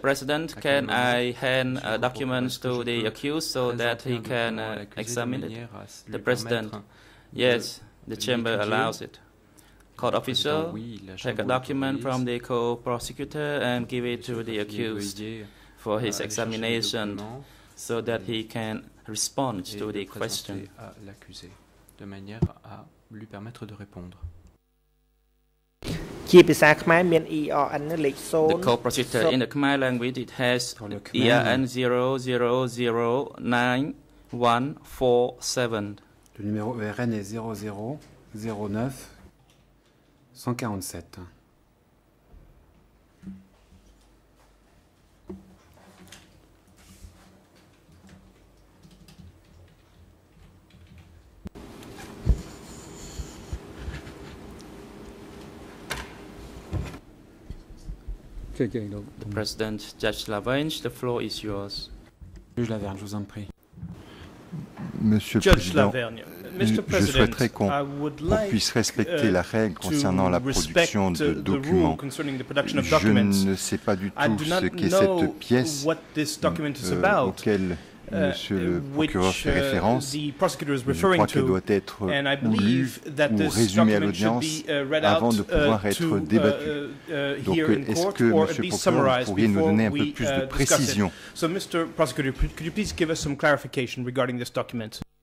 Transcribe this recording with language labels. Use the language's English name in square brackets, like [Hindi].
[English] President, can I hand a document to the accused so that he can examine it? The President, yes, the chamber allows it. Court officer, take a document from the co-prosecutor and give it to the accused for his examination so that he can respond to the question. [French] À l'accusé, de manière à lui permettre de répondre. [English] The co-prosecutor, in the Khmer language, it has ERN 00009147. [French] Le numéro ERN est 00009147. [English] The President, Judge Lavergne, the floor is yours. [French] Judge Lavergne, je vous en prie. Monsieur le Président, je souhaiterais qu'on puisse respecter la règle concernant la production de documents. Je ne sais pas du tout ce qu'est cette pièce auquel Monsieur le procureur fait référence. Je crois qu'elle doit être lue ou résumée à l'audience avant de pouvoir être débattue. Donc, est-ce que Monsieur le procureur pourrait nous donner un peu plus de précision? [English] So, Mr. Prosecutor, could you please give us some clarification regarding this document?